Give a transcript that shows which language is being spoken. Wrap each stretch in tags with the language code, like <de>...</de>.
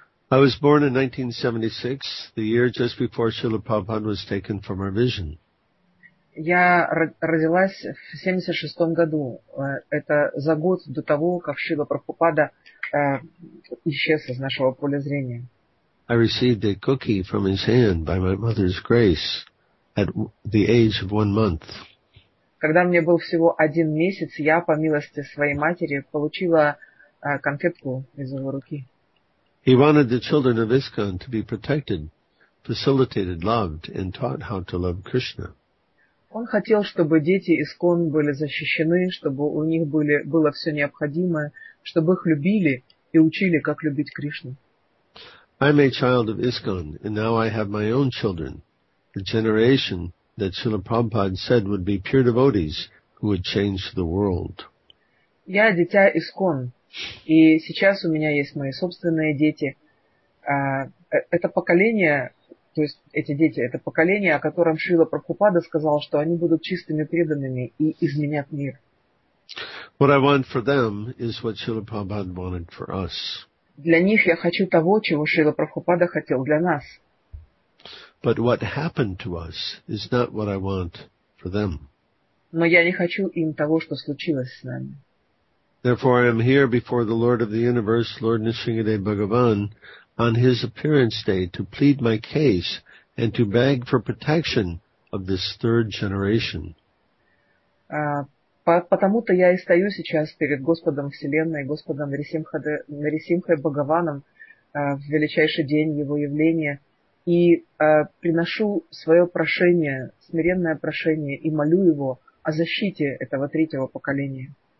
<en>I was born in 1976, the year just before Srila Prabhupada was taken from our vision.</en> <ru>Я родилась в 76 году. Это за год до того, как Шрила Прабхупада исчез из нашего поля зрения.</ru> <en>I received a cookie from his hand by my mother's grace at the age of 1 month.</en> <ru>Когда мне был всего один месяц, я, по милости своей матери, получила конфетку из его руки.</ru> <en>He wanted the children of ISKCON to be protected, facilitated, loved, and taught how to love Krishna.</en> <ru>Он хотел, чтобы дети ИСККОН были защищены, чтобы у них было все необходимое, чтобы их любили и учили, как любить Кришну.</ru> <en>I'm a child of ISKCON, and now I have my own children, the generation that Srila Prabhupada said would be pure devotees who would change the world.</en> <ru>Я дитя ИСККОН, и сейчас у меня есть мои собственные дети. Это поколение, то есть эти дети, это поколение, о котором Шрила Прабхупада сказал, что они будут чистыми преданными и изменят мир.</ru> <en>What I want for them is what Srila Prabhupada wanted for us.</en> <ru>Для них я хочу того, чего Шрила Прабхупада хотел для нас.</ru> <en>But what happened to us is not what I want for them.</en> <ru>Но я не хочу им того, что случилось с нами.</ru> <en>Therefore I am here before the Lord of the Universe, Lord Nrisimhadev Bhagavan, on his appearance day to plead my case and to beg for protection of this third generation.</en> <ru>Потому-то я и стою сейчас перед Господом Вселенной, Господом Нарисимхой Бхагаваном в величайший день его явления и приношу свое прошение, смиренное прошение и молю его о защите этого третьего поколения.</ru>